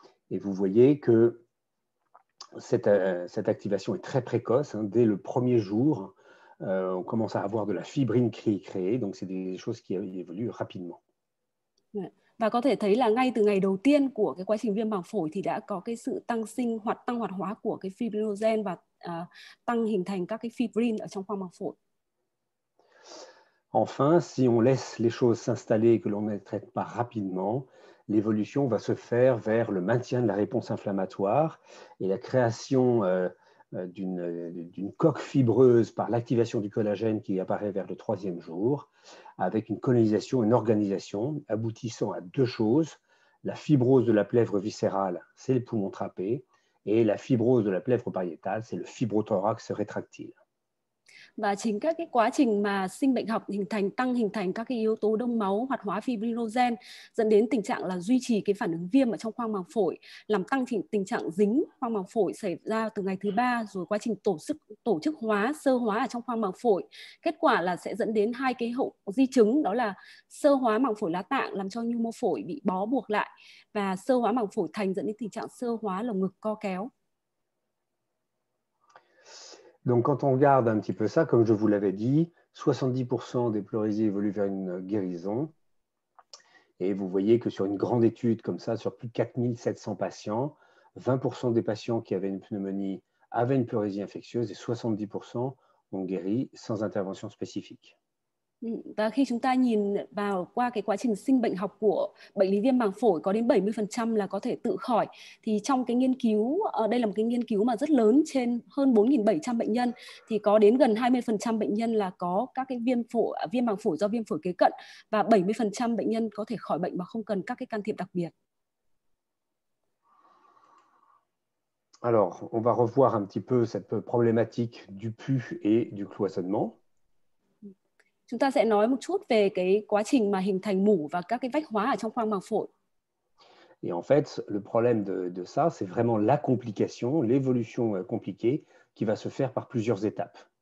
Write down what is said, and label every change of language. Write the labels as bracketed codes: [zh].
[fr] Et vous voyez que cette activation est très précoce hein, dès le premier jour. On commence à avoir de la fibrine qui est créée, donc c'est des choses qui évoluent rapidement. [vi] Và có thể thấy là ngay từ ngày đầu tiên của cái quá trình viêm màng phổi thì đã có cái sự tăng sinh hoặc tăng hoạt hóa của cái fibrinogen và tăng hình thành các cái fibrin ở trong khoang màng phổi. [fr] Enfin, si on laisse les choses s'installer et que l'on ne traite pas rapidement, l'évolution va se faire vers le maintien de la réponse inflammatoire et la création d'une coque fibreuse par l'activation du collagène qui apparaît vers le troisième jour, avec une colonisation, une organisation aboutissant à deux choses. La fibrose de la plèvre viscérale, c'est le poumon trapé, et la fibrose de la plèvre pariétale, c'est le fibrothorax rétractile. [vi] Và chính các cái quá trình mà sinh bệnh học hình thành các cái yếu tố đông máu hoạt hóa fibrinogen dẫn đến tình trạng là duy trì cái phản ứng viêm ở trong khoang màng phổi làm tăng tình trạng dính khoang màng phổi xảy ra từ ngày thứ ba rồi quá trình tổ chức hóa sơ hóa ở trong khoang màng phổi kết quả là sẽ dẫn đến hai cái hậu di chứng đó là sơ hóa màng phổi lá tạng làm cho nhu mô phổi bị bó buộc lại và sơ hóa màng phổi thành dẫn đến tình trạng sơ hóa lồng ngực co kéo. [fr] Donc quand on regarde un petit peu ça, comme je vous l'avais dit, 70% des pleurésies évoluent vers une guérison. Et vous voyez que sur une grande étude comme ça, sur plus de 4700 patients, 20% des patients qui avaient une pneumonie avaient une pleurésie infectieuse et 70% ont guéri sans intervention spécifique. [vi] Và khi chúng ta nhìn vào qua cái quá trình sinh bệnh học của bệnh lý viêm màng phổi có đến 70% là có thể tự khỏi. Thì trong cái nghiên cứu, đây là một cái nghiên cứu mà rất lớn trên hơn 4.700 bệnh nhân, thì có đến gần 20% bệnh nhân là có các cái viêm màng phổi do viêm phổi kế cận và 70% bệnh nhân có thể khỏi bệnh mà không cần các cái can thiệp đặc biệt. [fr] Alors, on va revoir un petit peu cette problématique du pus et du cloisonnement. [vi] Chúng ta sẽ nói một chút về cái quá trình mà hình thành mủ và các cái vách hóa ở trong khoang màng phổi. [fr] Et en fait, le problème de ça, c'est vraiment la complication, l'évolution compliquée qui va se faire par plusieurs étapes.